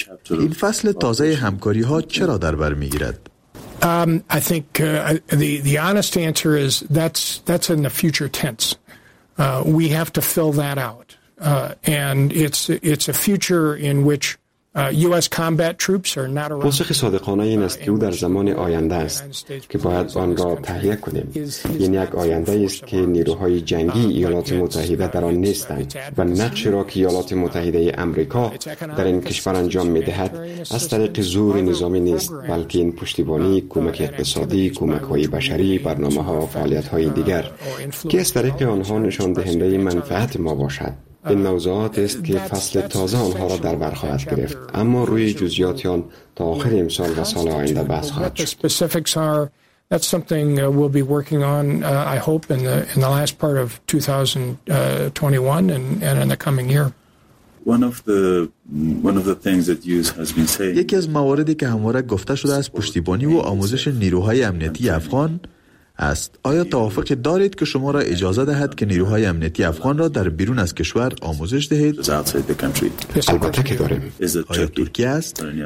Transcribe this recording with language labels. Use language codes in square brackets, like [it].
[fa] این فصل تازه همکاری ها چرا در بر می گیرد؟ [en] I think the honest answer is that's in the future tense. We have to fill that out. And it's a future in which U.S. combat troops are not around. [fa] پاسخ صادقانه این است که او در زمان آینده است که باید آن را تهیه کنیم. یعنی یک آینده است که نیروهای جنگی ایالات متحده در آن نیستند و نقش را که ایالات متحده آمریکا در این کشور انجام می‌دهد از طریق زور نظامی نیست، بلکه این پشتیبانی، کمک اقتصادی، کمک‌های بشری، برنامه‌ها و فعالیت‌های دیگر که از طریق آنها نشان دهنده منفعت ما باشد. این موضوعات است که فصل تازه آنها را در بر خواهد گرفت، اما روی جزئیات آن تا آخر امسال و سال آینده بحث خواهد شد. [en] That's something we'll be working on, I hope, in the last part of 2021 and in the coming year. One of the things that Hughes has been saying. [fa] یکی از مواردی که همواره گفته شده است پشتیبانی و آموزش نیروهای امنیتی افغان است. آیا توافقی دارید که شما را اجازه دهد که نیروهای امنیتی افغان را در بیرون از کشور آموزش دهید؟ البته که داریم. آیا ترکیه است؟